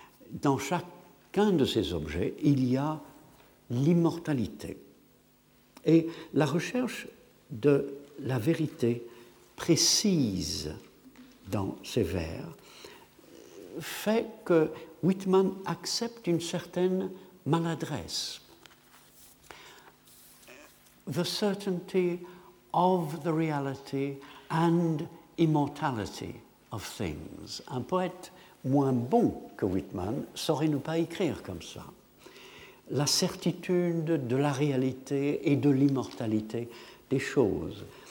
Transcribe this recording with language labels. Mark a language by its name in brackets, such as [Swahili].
[French] Dans chacun de ces objets, il y a l'immortalité. Et la recherche de la vérité précise dans ces vers fait que Whitman accepte une certaine maladresse. [English] The certainty of the reality and immortality of things. [French] Un poète moins bon que Whitman saurait ne pas écrire comme ça. La certitude de la réalité et de l'immortalité des choses.